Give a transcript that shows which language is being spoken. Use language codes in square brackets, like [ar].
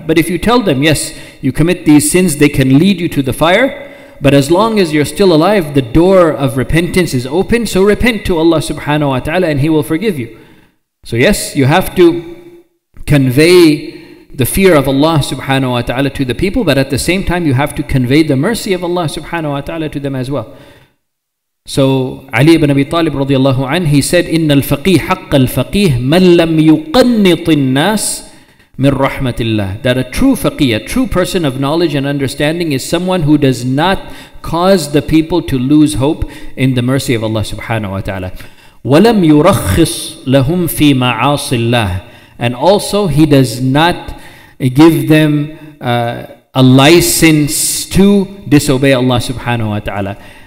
[en] But if you tell them, yes, you commit these sins, they can lead you to the fire, but as long as you're still alive, the door of repentance is open, so repent to Allah subhanahu wa ta'ala and He will forgive you. So yes, you have to convey the fear of Allah subhanahu wa ta'ala to the people, but at the same time you have to convey the mercy of Allah subhanahu wa ta'ala to them as well. So Ali ibn Abi Talib radiallahu anhu, he said, [ar] إِنَّ الْفَقِيهِ حَقَّ الْفَقِيهِ مَنْ لَمْ يُقَنِّطِ النَّاسِ مِنْ رَحْمَةِ اللَّهِ. [en] That a true faqih, a true person of knowledge and understanding, is someone who does not cause the people to lose hope in the mercy of Allah subhanahu wa ta'ala. [ar] وَلَمْ يُرَخِّصْ لَهُمْ فِي مَعَاصِ اللَّهِ. [en] And also he does not give them a license to disobey Allah subhanahu wa ta'ala.